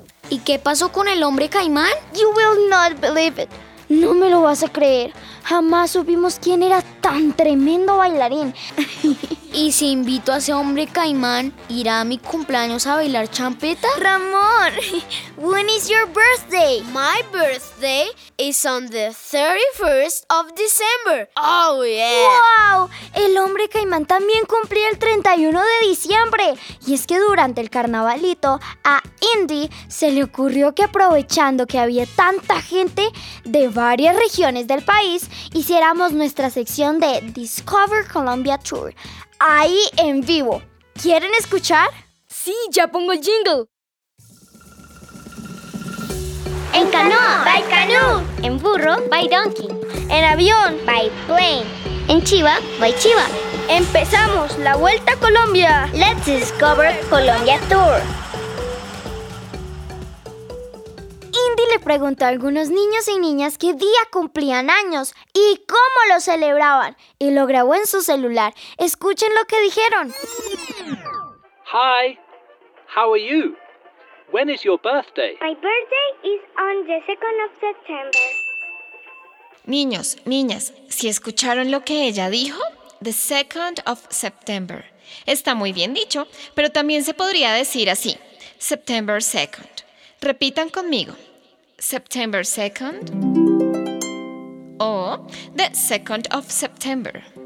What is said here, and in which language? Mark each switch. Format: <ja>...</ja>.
<es>¿Y qué pasó con el hombre caimán?</es> <en>You will not believe it.</en> <es>No me lo vas a creer. Jamás supimos quién era tan tremendo bailarín. ¿Y si invito a ese hombre caimán, irá a mi cumpleaños a bailar champeta?</es> <en>Ramón, when is your birthday? My birthday is on the 31st of December. Oh, yeah. ¡Wow!</en> <es>El hombre caimán también cumplía el 31 de diciembre. Y es que durante el carnavalito, a Indy se le ocurrió que aprovechando que había tanta gente de varias regiones del país, hiciéramos nuestra sección de Discover Colombia Tour. Ahí en vivo. ¿Quieren escuchar? Sí, ya pongo el jingle. En canoa,</es> <en>by canoe.</en> <es>En burro,</es> <en>by donkey.</en> <es>En avión,</es> <en>by plane.</en> <es>En chiva,</es> <en>by chiva.</en> <es>Empezamos la Vuelta a Colombia.</es> <en>Let's Discover Colombia Tour.</en> <es>Indy le preguntó a algunos niños y niñas qué día cumplían años y cómo lo celebraban. Y lo grabó en su celular. Escuchen lo que dijeron.</es> <en>Hi, how are you? When is your birthday? My birthday is on the 2nd of September.</en> <es>Niños, niñas, ¿sí escucharon lo que ella dijo?</es> <en>The 2nd of September.</en> <es>Está muy bien dicho, pero también se podría decir así.</es> <en>September 2nd.</en> <es>Repitan conmigo.</es> <en>September 2nd o the 2nd of September.</en>